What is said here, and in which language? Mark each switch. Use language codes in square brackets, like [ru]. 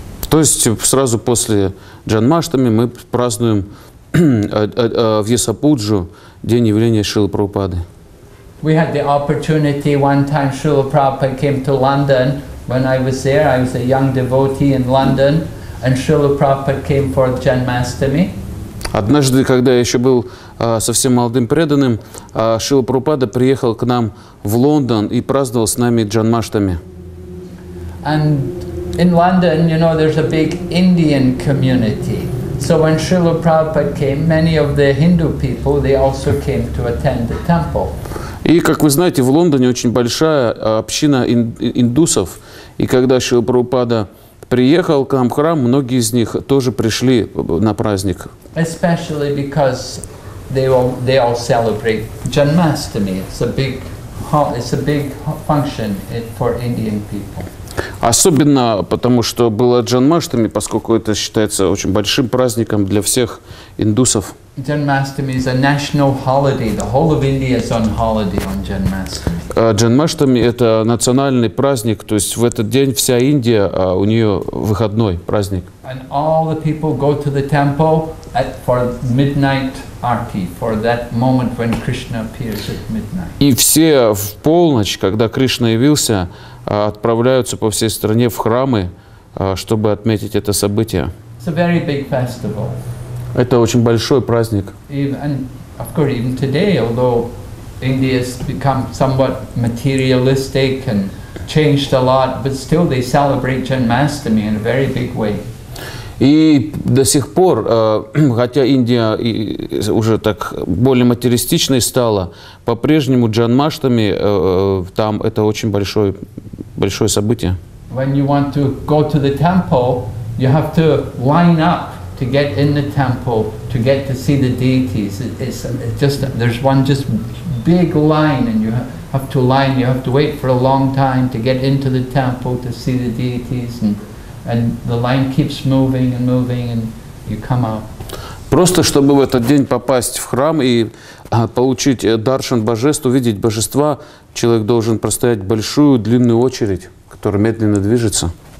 [ru] То есть сразу после Джанмаштами мы празднуем Вьясапуджу, день явления Шрилы Прабхупады. [en] We had the opportunity one time Srila Prabhupada came to London when I was there. I was a young devotee in London and Srila Prabhupada came for Janmashtami. Однажды, когда я еще был совсем молодым преданным, Шрила Прабхупада приехал к нам в Лондон и праздновал с нами Джанмаштами. And in London, you know, there's a big Indian community. So when Srila Prabhupada came, many of the Hindu people, they also came to attend the temple. [ru] И, как вы знаете, в Лондоне очень большая община индусов. И когда Шрила Прабхупада приехал к нам в храм, многие из них тоже пришли на праздник. [en] Especially because they all celebrate Janmashtami. It's a big function for Indian people. [ru] Особенно потому, что было Джанмаштами, поскольку это считается очень большим праздником для всех индусов. [en] Janmashtami is a national holiday. The whole of India is on holiday on Janmashtami. [ru] Janmashtami это национальный праздник, то есть в этот день вся Индия у нее выходной праздник. [en] And all the people go to the temple at for midnight arti, for that moment when Krishna appears at midnight. [ru] И все в полночь, когда Кришна явился, отправляются по всей стране в храмы, чтобы отметить это событие. [en] It's a very big festival. [ru] Это очень большой праздник. [en] And of course, even today, although India has become somewhat materialistic and changed a lot, but still they celebrate Janmashtami in a very big way. [ru] И до сих пор, хотя Индия уже так более материалистичной стала, по-прежнему Джанмаштами там это очень большое, большое событие. [en] When you want to go to the temple, you have to line up to get in the temple, to get to see the deities. It's just, there's one just big line and you have to line, you have to wait for a long time to get into the temple to see the deities. And the line keeps moving and moving, and you come out. [ru] Просто чтобы в этот день попасть в храм и получить даршан божеств, увидеть божества, человек должен простоять большую длинную очередь, которая медленно движется.